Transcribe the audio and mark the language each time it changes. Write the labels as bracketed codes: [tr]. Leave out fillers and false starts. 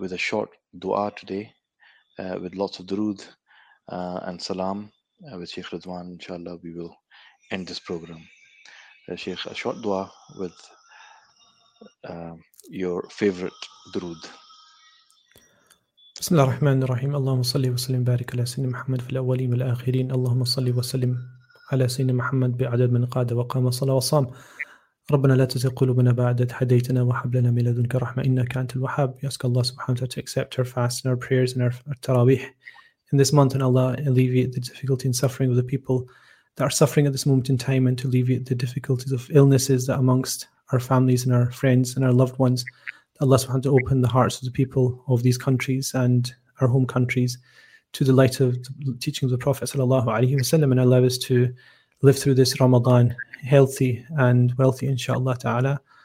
[en] With a short dua today, with lots of durood and salam, with Sheikh Ridwan, inshallah, we will end this program. Sheikh, a short dua with your favorite durood. [ar] بسم الله الرحمن الرحيم اللهم صل وسلم بارك على سيدنا محمد في الأولين والآخرين اللهم صل وسلم على سيدنا محمد بعدد من قاد وقام صلى وصام ربنا لا تزغ قلوبنا بعد إذ هديتنا وهب لنا من لدنك رحمة إنك أنت الوهاب. [en] We ask Allah subhanahu wa ta'ala to accept our fast and our prayers and our tarawih in this month, and Allah alleviate the difficulty and suffering of the people that are suffering at this moment in time, and to alleviate the difficulties of illnesses that amongst our families and our friends and our loved ones. Allah subhanahu wa ta'ala open the hearts of the people of these countries and our home countries to the light of the teachings of the Prophet sallallahu alaihi wasallam, and allow us to live through this Ramadan healthy and wealthy, inshallah ta'ala.